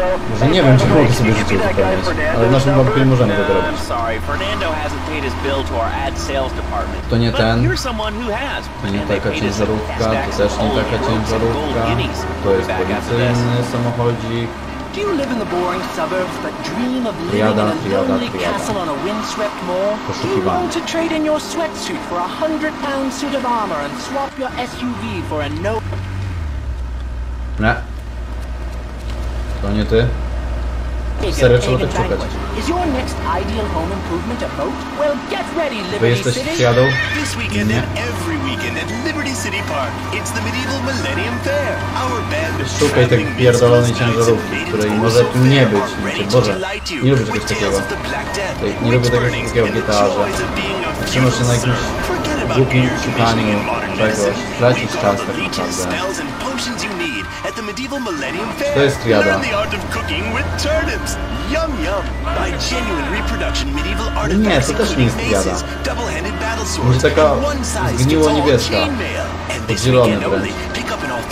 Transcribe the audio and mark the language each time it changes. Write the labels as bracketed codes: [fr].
[pl] Może nie wiem, czy mogę sobie życie uzupełnić. Ale w naszym wypadku nie możemy tego robić. To nie ten. To nie taka ciężarówka. To też nie taka ciężarówka. To jest policyjny samochodzik. [en] Do you live in the boring suburbs that dream of living in a lonely castle on a windswept moor? Do you want to trade in your sweatsuit for a 100-pound suit of armor and swap your SUV for a no? [pl] Nie. To nie ty. Serio, trzeba tak szukać. [en] Is your next ideal home improvement a boat? Well, get ready, Liberty City. This weekend and every weekend at Liberty City Park, it's the medieval Millennium Fair. Our band of [pl] szukaj tej pierdolonej ciężarówki, której może tu nie być. Boże, nie lubię czegoś takiego. Nie lubię tego wszystkiego gitarza. Trzymasz się na jakimś głupim szukaniu czegoś. Tracić czas tak naprawdę. [en] At the medieval Millennium Fair, [pl] to jest triada. [en] Learn the art of cooking with turnips. Yum yum. By genuine reproduction medieval artifacts. [pl] Nie, to też nie jest triada. [en] Double-handed battle swords. One size fits all. Chainmail. And this weekend only, pick up an all